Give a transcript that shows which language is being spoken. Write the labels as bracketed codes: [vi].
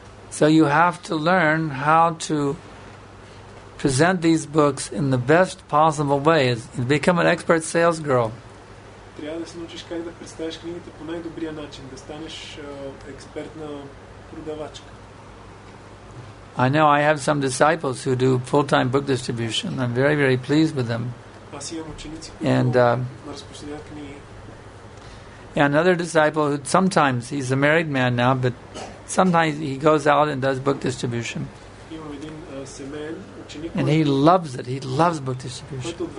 [en] So you have to learn how to present these books in the best possible way. Become an expert sales girl. [bg] Трябва да се научиш как да представиш книгите по най-добрия начин, да станеш експертна продавачка. [en] I know I have some disciples who do full-time book distribution. I'm very, very pleased with them. [bg] Аз имам ученици, които разпространяват книги. [en] And another disciple who sometimes, he's a married man now, but sometimes he goes out and does book distribution. [bg] Имам един семейен [en] And he loves it. He loves book distribution.